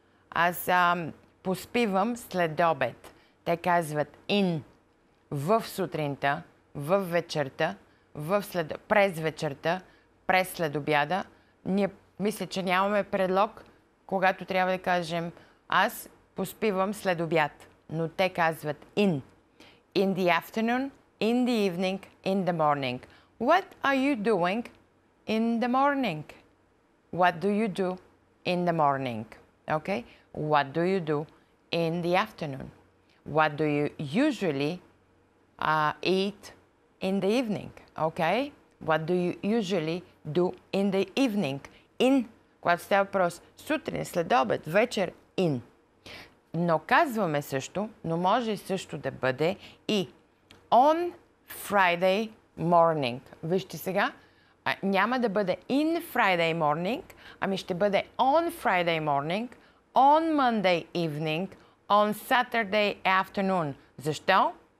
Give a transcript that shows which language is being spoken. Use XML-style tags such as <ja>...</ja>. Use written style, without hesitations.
<bg>Аз поспивам след обед. Те казват in, в сутринта, в вечерта, през вечерта, през след обяда. Ние мисля, че нямаме предлог, когато трябва да кажем аз поспивам след обяд. Но те казват in.</bg> <en>In the afternoon, in the evening, in the morning. What are you doing in the morning? What do you do in the morning? Okay? What do you do in the afternoon? What do you usually eat in the evening? Okay? What do you usually do in the evening?</en> <bg>In, когато става въпрос, сутрин, след обед, вечер, in. Но казваме също, но може също да бъде и</bg> <en>on Friday morning.</en> <bg>Вижте сега, няма да бъде</bg> <en>in Friday morning,</en> <bg>ами ще бъде</bg> <en>on Friday morning, on Monday evening, on Saturday afternoon.</en> <bg>Защо?</bg>